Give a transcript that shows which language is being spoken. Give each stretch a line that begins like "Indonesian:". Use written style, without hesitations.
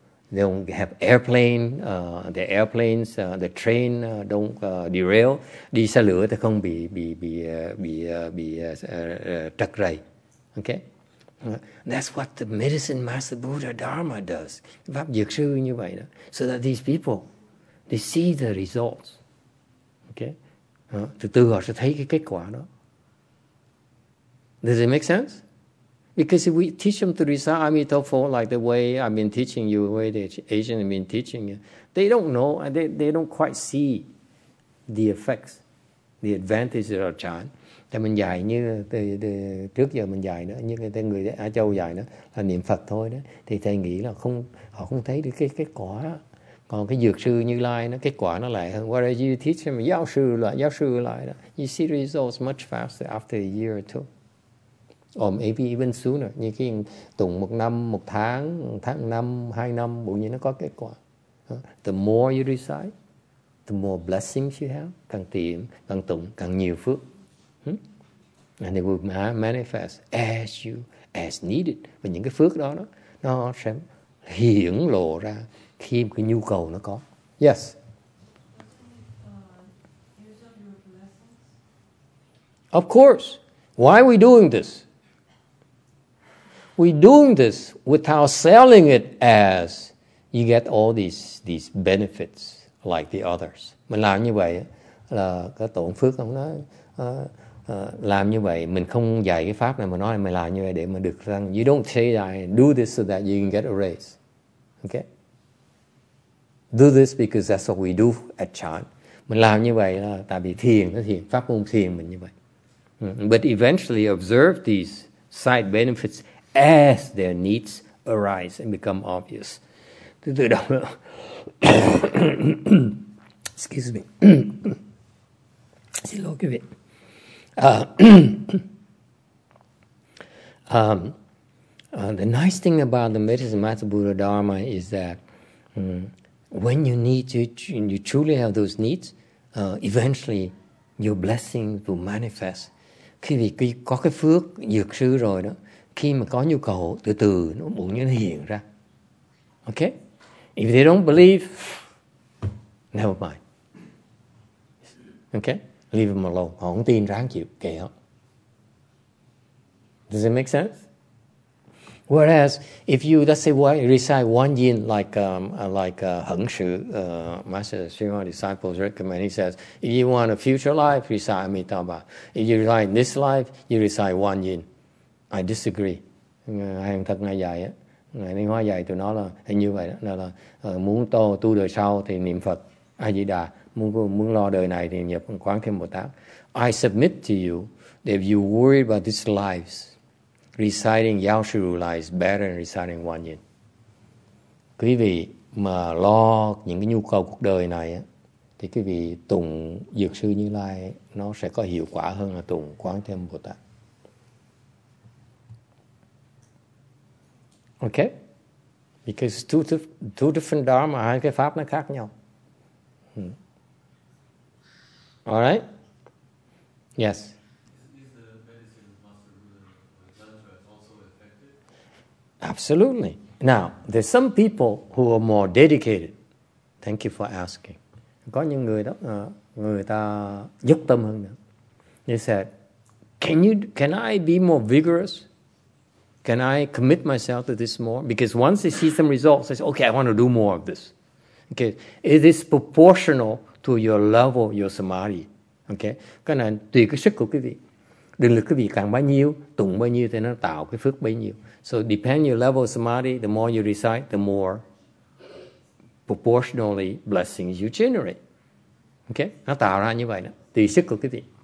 English: They don't have airplane, the airplanes, the train don't derail.
Vietnamese: Đi xe lửa thì không bị trật rầy.
English: Okay? That's what the medicine master Buddha Dharma does.
Vietnamese: Pháp dược sư như vậy đó.
English: So that these people, they see the results. Okay?
Vietnamese: Từ từ họ sẽ thấy cái kết quả đó.
English: Does it make sense? Because if we teach them to recite Amitabha like the way I've been teaching you, the way the Asians have been teaching you, they don't know, and they don't quite see the effects, the advantages of chant.
Vietnamese: Thì mình dạy như từ trước giờ mình dạy đó, như người Á Châu dạy đó, là niệm Phật thôi đó, thì thầy nghĩ là không, họ không thấy được cái kết quả đó. Còn cái dược sư Như Lai nó kết quả nó lại hơn.
English: Whereas you teach them Yao Shu Lai, đó, you see results much faster after a year or two. Or maybe even sooner.
Vietnamese: Như khi tụng một năm, một tháng, tháng năm, hai năm, bỗng nhiên nó có kết quả.
English: The more you recite, the more blessings you have.
Vietnamese: Càng tiệm, càng tụng, càng nhiều phước.
English: And it will manifest as needed.
Vietnamese: Và những cái phước đó, nó sẽ hiển lộ ra khi cái nhu cầu nó có.
English: Yes. Of course. Why are we doing this? We're doing this without selling it as you get all these benefits like the others.
Vietnamese: Mình làm như vậy là có tổn phước không đó. Làm như vậy, mình không dạy cái pháp này mà nói là mình làm như vậy để mà được rằng
English: you don't say that, do this so that you can get a raise. Okay? Do this because that's what we do at chant.
Vietnamese: Mình làm như vậy là tại vì thiền, pháp môn thiền mình như vậy.
English: But eventually observe these side benefits as their needs arise and become obvious. Excuse me. See, look at it. The nice thing about the medicine master Buddha Dharma is that when you need to, you truly have those needs, eventually your blessing will manifest.
Vietnamese: Khi vì có cái phước dược sư rồi đó, khi mà có nhu cầu, từ từ nó bỗng nhiên hiện ra.
English: Okay? If they don't believe, never mind. Okay? Leave them alone.
Vietnamese: Họ không tin, ráng chịu, kệ họ.
English: Does it make sense? Whereas, if you, let's say, recite one yin, like Heng Shi, Master Sri Ma disciples recommend, he says, if you want a future life, recite Amitabha. If you recite this life, you recite one yin. I disagree.
Vietnamese: Hai thật ngài dạy, ngài Liên Hoa dạy tụi nó là như vậy, đó là muốn tô tu đời sau thì niệm Phật, A Di Đà, muốn lo đời này thì nhập Quán Thế Âm Bồ Tát.
English: I submit to you that if you worry about these lives, reciting Yao Shi Rula is better than reciting Wan Yin.
Vietnamese: Quý vị mà lo những cái nhu cầu cuộc đời này á, thì quý vị tụng Dược Sư Như Lai nó sẽ có hiệu quả hơn là tụng Quán Thế Âm Bồ Tát.
English: Okay? Because two different dharma,
Vietnamese: hai cái pháp nó khác nhau.
English: All right? Yes. Absolutely. Now, there's some people who are more dedicated. Thank you for asking.
Vietnamese: Có những người đó, người ta dốc tâm hơn nữa.
English: They said, can I be more vigorous? Can I commit myself to this more? Because once they see some results, they say, okay, I want to do more of this. Okay, it is proportional to your level, your samadhi.
Vietnamese: Okay, cái này tùy cái sức của quý vị. Định lực quý vị càng bao nhiêu, tụng bao nhiêu thì nó tạo cái phước bấy nhiêu.
English: So depending on your level of samadhi, the more you recite, the more proportionally blessings you generate. Okay?
Vietnamese: Nó tạo ra như vậy đó. Tùy sức của cái gì.